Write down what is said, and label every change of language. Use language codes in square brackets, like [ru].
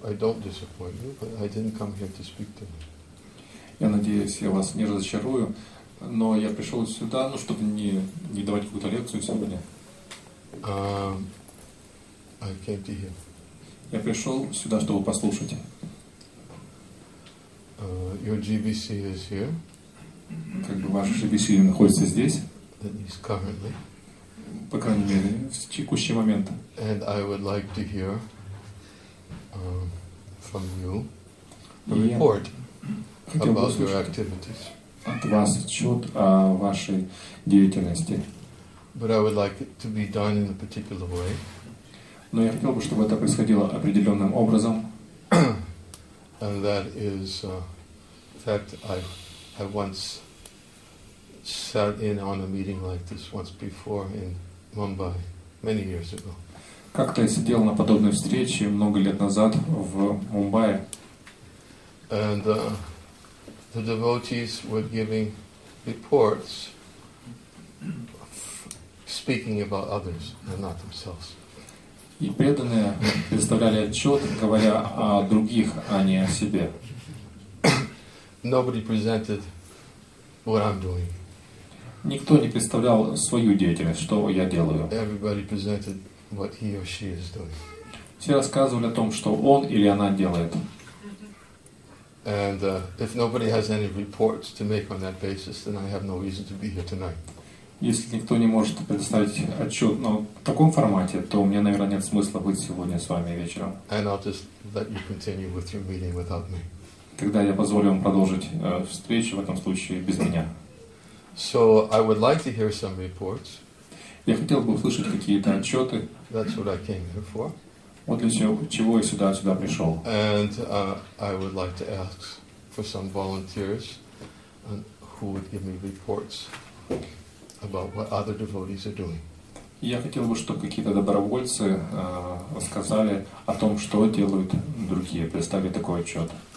[en] I don't disappoint you, but I didn't come here to speak to you. [ru] Я надеюсь, я вас не разочарую, но я пришел сюда, ну, чтобы не давать какую-то лекцию сегодня. [en] I came to hear. [ru] Я пришел сюда, чтобы послушать. [en] Your GBC is here. [ru] Как бы ваш GBC находится здесь. [en] That is currently. [ru] По крайней мере, в текущий момент. [en] And I would like to hear from you the report about your activities. [ru] От вас отчет о вашей деятельности. [en] But I would like it to be done in a particular way. [ru] Но я хотел бы, чтобы это происходило определенным образом. [en] And that is, in fact, I once sat in on a meeting like this once before in Mumbai many years ago. [ru] Как-то я сидел на подобной встрече много лет назад в Мумбаи. [en] And the devotees were giving reports, speaking about others and not themselves. [ru] И преданные представляли отчет, говоря о других, а не о себе. [en] Nobody presented what I'm doing. [ru] Никто не представлял свою деятельность, что я делаю. [en] Everybody presented what he or she is doing. [ru] Все рассказывали о том, что он или она делает. [en] And if nobody has any reports to make on that basis, then I have no reason to be here tonight. [ru] Если никто не может предоставить отчет, но в таком формате, то у меня, наверное, нет смысла быть сегодня с вами вечером. [en] And I'll just let you continue with your meeting without me. [ru] Тогда я позволю вам продолжить встречу в этом случае без меня. [en] So I would like to hear some reports. [ru] Я хотел бы услышать какие-то отчеты. [en] That's what I came here for. [ru] Вот для чего я сюда пришел. [en] And I would like to ask for some volunteers who would give me reports about what other devotees are doing. [ru] Я хотел бы, чтобы какие-то добровольцы рассказали о том, что делают другие, представили такой отчет.